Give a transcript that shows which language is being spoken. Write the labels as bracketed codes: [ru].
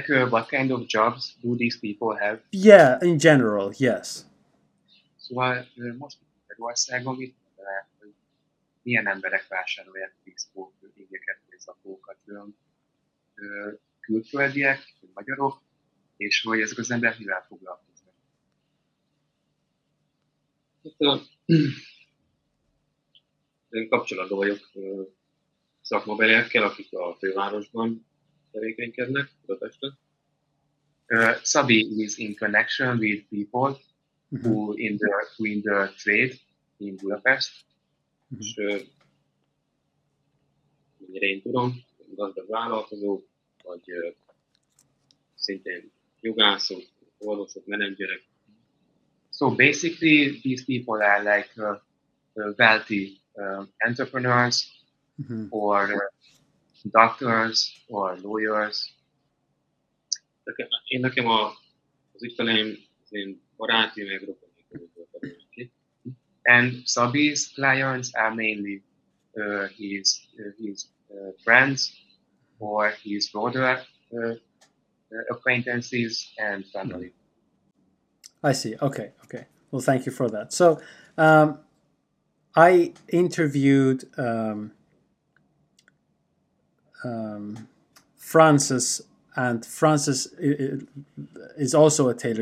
[en] What kind of jobs do these people have? Yeah, in general, yes. So, most people in [hu] Magyarországon, mit lehet, hogy milyen emberek vásárolják bespoke ingyeket, bespoke-okat, külföldiek, magyarok, és hogy ezek az emberek mivel foglalkoznak? Én kapcsolatban vagyok szakmabeliekkel, akik a fővárosban tevékenykednek, Budapesten. [en] Szabi is in connection with people who in the trade in Budapest. [hu] És mennyire én tudom, gazdag vállalkozók, vagy szintén jogászok, orvosok, menedzserek. [en] So basically these people are like wealthy entrepreneurs or doctors or lawyers. [hu] Én nekem az ügyfeleim, az én baráti, meg rokonai között. [en] And Szabi's clients are mainly his friends or his broader acquaintances and family. I see. Okay. Well, thank you for that. So, I interviewed Francis, and Francis is also a tailor.